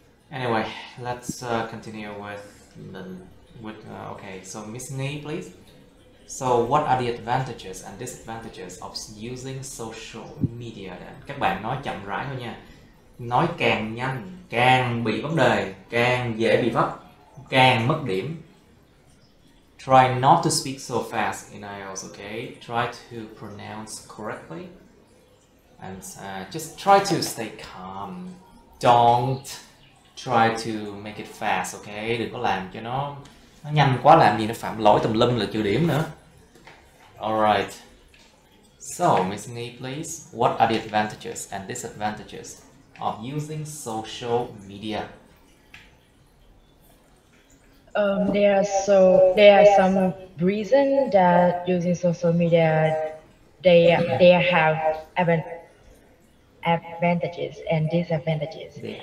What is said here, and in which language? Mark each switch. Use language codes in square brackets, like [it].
[en] Anyway, let's continue with the okay, so Miss Nee, please. So what are the advantages and disadvantages of using social media then? [vi] Các bạn nói chậm rãi thôi nha. Nói càng nhanh càng bị vấn đề, càng dễ bị vấp, càng mất điểm. [en] Try not to speak so fast in IELTS, okay? Try to pronounce correctly. And just try to stay calm. Don't try to make it fast, okay? [vi] Đừng có làm cho nó nhanh quá, làm gì nó phạm lỗi tùm lum là trừ điểm nữa. [en] Alright. So, Miss Nee, please. What are the advantages and disadvantages of using social media? There are some reasons that using social media, they have advantages and disadvantages.